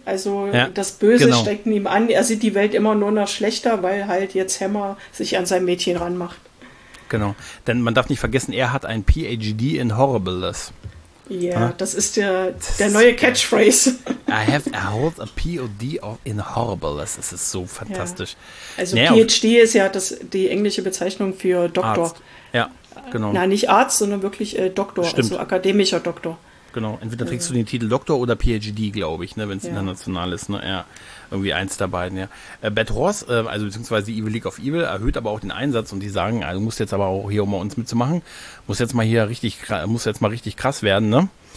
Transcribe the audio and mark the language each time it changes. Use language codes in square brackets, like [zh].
[de] Also ja, das Böse, genau, steckt in ihm an. Er sieht die Welt immer nur noch schlechter, weil halt jetzt Hammer sich an sein Mädchen ranmacht. Genau. Denn man darf nicht vergessen, er hat ein PhD in Horribleness. Ja, das ist der neue Catchphrase. [en] I have held a POD in Horribleness. [de] Das ist so fantastisch. Ja. Also PhD ist ja die englische Bezeichnung für Doktor. Arzt. Ja, genau. Na, nicht Arzt, sondern wirklich Doktor. Stimmt. Also akademischer Doktor. Genau, entweder trägst du den Titel Doktor oder PhD, glaube ich, ne, wenn es international ist, ne? Ja, irgendwie eins der beiden, ja. Bad Horse, also beziehungsweise Evil League of Evil, erhöht aber auch den Einsatz, und die sagen, also du musst jetzt aber auch hier, um bei uns mitzumachen, muss jetzt mal richtig krass werden, ne?